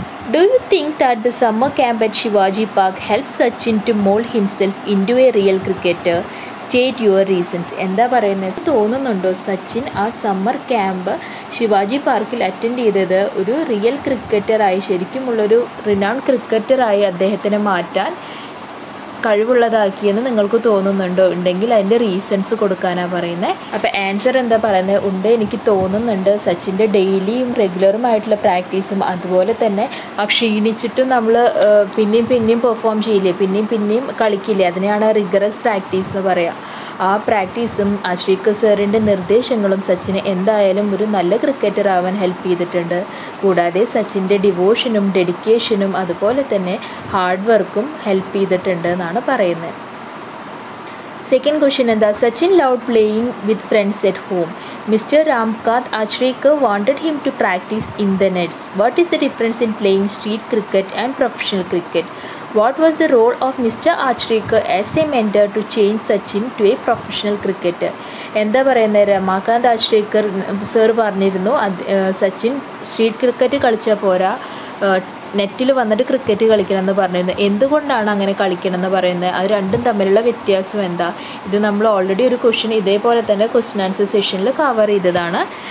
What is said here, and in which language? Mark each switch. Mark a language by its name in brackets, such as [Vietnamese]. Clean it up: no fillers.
[English] Do you think that the summer camp at Shivaji Park helped Sachin to mold himself into a real cricketer? State your reasons. [Malayalam] എന്താ പറയുന്നത്? തോന്നുന്നുണ്ടോ സച്ചിൻ ആ summer camp Shivaji പാർക്കിൽ attend ചെയ്തത് ഒരു real ക്രിക്കറ്ററായി, ശരിക്കുമുള്ളൊരു renowned ക്രിക്കറ്ററായി അദ്ദേഹത്തിനെ മാറ്റാൻ കഴിവുള്ളതാക്കിയെന്ന് നിങ്ങൾക്ക് തോന്നുന്നുണ്ടോ? ഉണ്ടെങ്കിൽ അതിൻ്റെ റീസൺസ് കൊടുക്കാനാണ് പറയുന്നത്. അപ്പോൾ ആൻസർ എന്താ പറയുന്നത്? ഉണ്ട്, എനിക്ക് തോന്നുന്നുണ്ട് സച്ചിൻ്റെ ഡെയിലിയും റെഗുലറുമായിട്ടുള്ള പ്രാക്ടീസും അതുപോലെ തന്നെ ആ ക്ഷീണിച്ചിട്ടും നമ്മൾ പിന്നെയും പിന്നെയും പെർഫോം ചെയ്യില്ലേ, പിന്നെയും പിന്നെയും കളിക്കില്ലേ, അതിനെയാണ് റിഗറസ് പ്രാക്ടീസ് എന്ന് പറയുക. ആ പ്രാക്ടീസും ആ ശ്രീക്കർ സാറിൻ്റെ നിർദ്ദേശങ്ങളും സച്ചിന് എന്തായാലും ഒരു നല്ല ക്രിക്കറ്റർ ആവാൻ ഹെൽപ്പ് ചെയ്തിട്ടുണ്ട്. കൂടാതെ സച്ചിൻ്റെ ഡിവോഷനും ഡെഡിക്കേഷനും അതുപോലെ തന്നെ ഹാർഡ് വർക്കും ഹെൽപ്പ് ചെയ്തിട്ടുണ്ട് എന്നാണ് പറയുന്നത്. സെക്കൻഡ് ക്വസ്റ്റ്യൻ എന്താ? [English] Sachin loved playing with friends at home. Mister Ramkant Achrekar wanted him to practise in the nets. What is the difference in playing street cricket and professional cricket? What was the role of Mr. Achrekar as a mentor to change Sachin to a professional cricketer? [Malayalam] എന്താ പറയുന്നത്? Ramakant അച്രീക്കർ sir പറഞ്ഞിരുന്നു Sachin street cricket കളിച്ചാൽ പോരാ, നെറ്റിൽ വന്നിട്ട് cricket കളിക്കണമെന്ന് പറഞ്ഞിരുന്നു. എന്തുകൊണ്ടാണ് അങ്ങനെ കളിക്കണമെന്ന് പറയുന്നത്? അത് രണ്ടും തമ്മിലുള്ള വ്യത്യാസം എന്താ? ഇത് നമ്മൾ ഓൾറെഡി ഒരു ക്വസ്റ്റ്യൻ ഇതേപോലെ തന്നെ ക്വസ്റ്റ്യൻ ആൻസർ സെഷനിൽ കവർ ചെയ്തതാണ്.